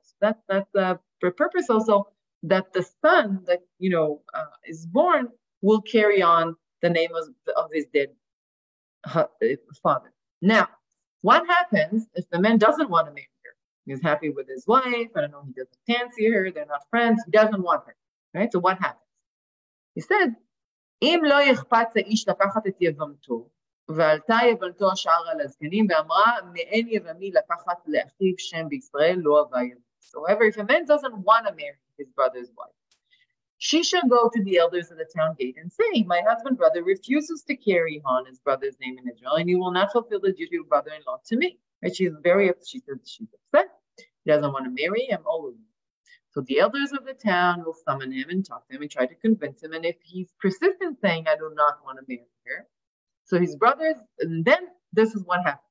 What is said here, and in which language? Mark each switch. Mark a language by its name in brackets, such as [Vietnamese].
[English] So that's the purpose also, that the son that, you know, is born will carry on the name of his dead father. Now, what happens if the man doesn't want to marry her? He's happy with his wife. I don't know, he doesn't fancy her. They're not friends. He doesn't want her, right? So what happens? He said, [Hebrew] אם לא יחפץ האיש לקחת את יבמתו, ועלתה יבמתו השאר על הזקנים, ואמרה, מאין יבמי לקחת לאחיו שם בישראל, לא הווה יבמתו. [English] However, if a man doesn't want to marry his brother's wife, she shall go to the elders of the town gate and say, my husband brother refuses to carry on his brother's name in Israel, and he will not fulfill the duty of brother-in-law to me. And she's very upset. She's upset. He doesn't want to marry him. All of them. So the elders of the town will summon him and talk to him and try to convince him. And if he's persistent saying, I do not want to marry her, so his brothers, and then this is what happens.